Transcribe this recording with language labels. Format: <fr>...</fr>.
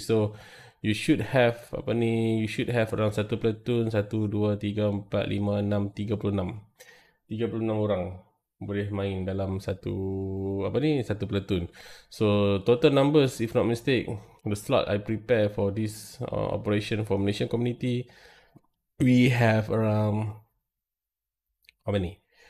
<en>So you should have</en> <ms>apa ni,</ms> <en>you should have around</en> <ms>satu</ms> <en>platoon, 1, 2, 3, 4, 5, 6, 36.</en> <ms>36 orang boleh main dalam satu apa ni, satu platoon.</ms> <en>So total numbers, if not mistake, the slot I prepare for this operation for Malaysian community, we have around how many?</en>